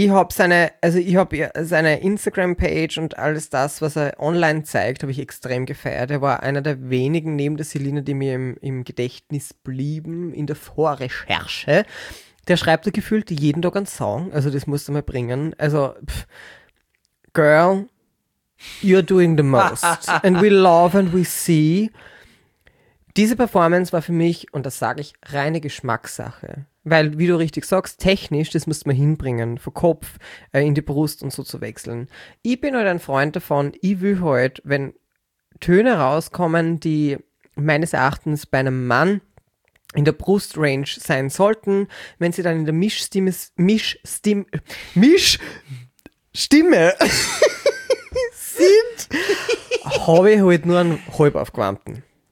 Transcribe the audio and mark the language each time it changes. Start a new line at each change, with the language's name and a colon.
German: Ich habe seine Instagram-Page und alles das, was er online zeigt, habe ich extrem gefeiert. Er war einer der wenigen neben der Selina, die mir im Gedächtnis blieben, in der Vorrecherche. Der schreibt da gefühlt jeden Tag einen Song, also das musst du mal bringen.
English: Also, girl, you're doing the most. And we love and we see.
German: Diese Performance war für mich, und das sage ich, reine Geschmackssache. Weil, wie du richtig sagst, technisch, das musst du mal hinbringen, vom Kopf in die Brust und so zu wechseln. Ich bin halt ein Freund davon, ich will halt, wenn Töne rauskommen, die meines Erachtens bei einem Mann in der Brustrange sein sollten, wenn sie dann in der Mischstimme sind, habe ich halt nur einen halb aufgewärmten.